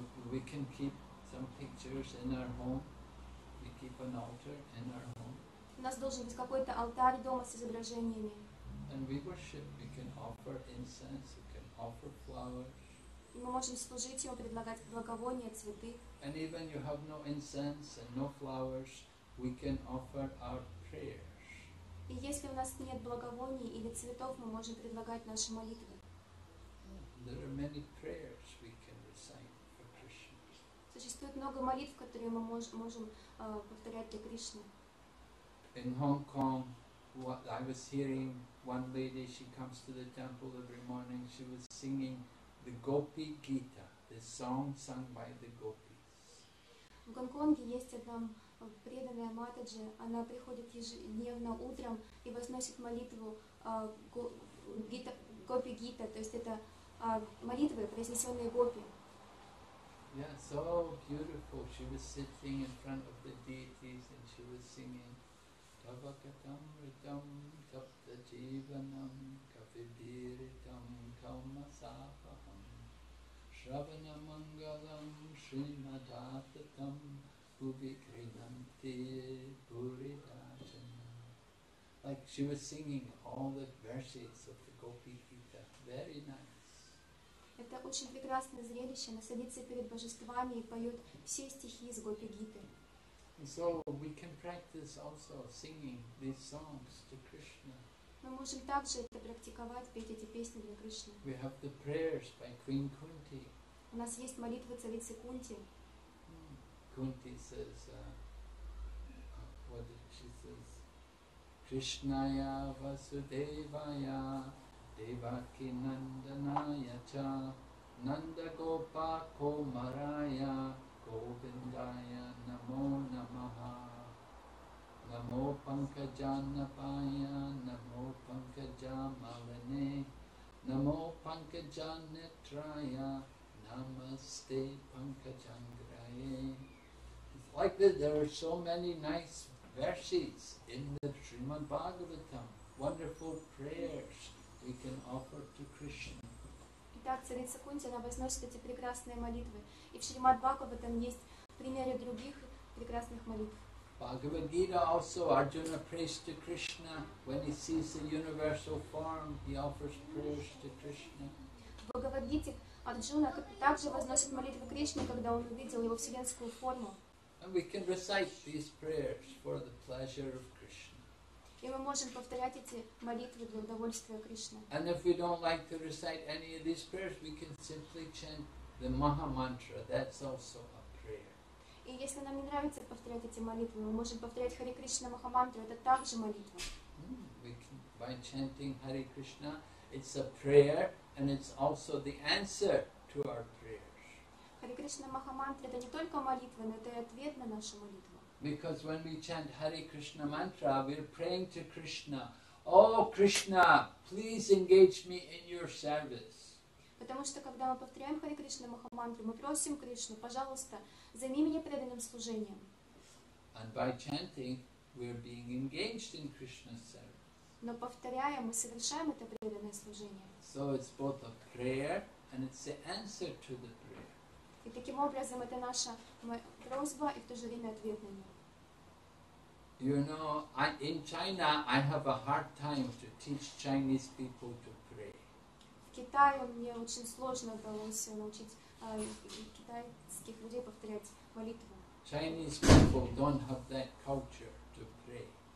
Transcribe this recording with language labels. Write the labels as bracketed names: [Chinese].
[English] We can keep some pictures in our home. We keep an altar in our home. [Russian] У нас должен быть какой-то алтарь дома с изображениями. [English] And we worship. We can offer incense. We can offer flowers. [Russian] И мы можем служить Ему, предлагать благовония, цветы. [English] And even you have no incense and no flowers, we can offer our prayers. [Russian] И если у нас нет благовоний или цветов, мы можем предлагать наши молитвы. [English] There are many prayers we can recite for Krishna. [Russian] Существует много молитв, которые мы можем повторять для Кришны. [English] In Hong Kong, what I was hearing, one lady, she comes to the temple every morning, she was singing the Gopi Gita, the song sung by the gopis. [Russian] В Гонконге есть одна преданная матаджи, она приходит ежедневно утром и возносит молитву Гопи Гита, то есть это молитвы, произнесенные гопи. [English] Yeah, so beautiful. She was sitting in front of the deities and she was singing [Sanskrit] Tavakatam ritam tapta jivanam kavibiritam kaumasapaham shravanamangalam srimadatatam uvikrinamte puridachana. [English] Like she was singing all the verses of the Gopi Gita. Very nice. [Russian] Это очень прекрасное зрелище. Она садится перед божествами и поет все стихи из Гопи Гиты. [English] So we can practice also singing these songs to Krishna. [Russian] Мы можем также это практиковать, петь эти песни для Кришны. [English] We have the prayers by Queen Kunti. [Russian] У нас есть молитвы царицы Кунти. [English] Kunti says, what did she say? [Sanskrit] Krishnaya Vasudevaya Devaki Nandanaya cha Nanda Gopa Komaraya Govindaya Namo Namaha Namo Pankajanapaya Namo Pankajamalane Namo Pankajanetraya Namaste Pankajangraye. [English] It's like that there are so many nice verses in the Srimad Bhagavatam, wonderful prayers we can offer to Krishna. [Russian] Итак, царица Кунти, она возносит эти прекрасные молитвы. И в Шримад Бхагаватам есть примеры других прекрасных молитв. [English] Bhagavad Gita also, Arjuna prays to Krishna. When he sees the universal form, he offers prayers to Krishna. [Russian] В Бхагавад Гите Арджуна также возносит молитву Кришне, когда он увидел его вселенскую форму. [English] And we can recite these prayers for the pleasure of Krishna. [Russian] И мы можем повторять эти молитвы для удовольствия Кришны. [English] And if we don't like to recite any of these prayers, we can simply chant the Maha Mantra. That's also a prayer. [Russian] И если нам не нравится повторять эти молитвы, мы можем повторять Хари Кришна Маха Мантру. Это также молитва. [English] We can, by chanting Hare Krishna, it's a prayer and it's also the answer to our prayers. [Russian] Хари Кришна Маха Мантра — это не только молитва, но это и ответ на нашу молитву. [English] Because when we chant Hare Krishna mantra, we're praying to Krishna, Oh Krishna, please engage me in your service. [Russian] Потому что когда мы повторяем Хари Кришна Маха мантру, мы просим Кришну, пожалуйста, займи меня преданным служением. [English] And by chanting, we're being engaged in Krishna's service. [Russian] Но повторяя, мы совершаем это преданное служение. [English] So it's both a prayer and it's the answer to the prayer. [Russian] И таким образом это наша просьба и в то же время ответ на нее. [English] You know, in China I have a hard time to teach Chinese people to pray. [Russian] В Китае мне очень сложно удалось научить китайских людей повторять молитву. [English] Chinese people don't have that culture to pray.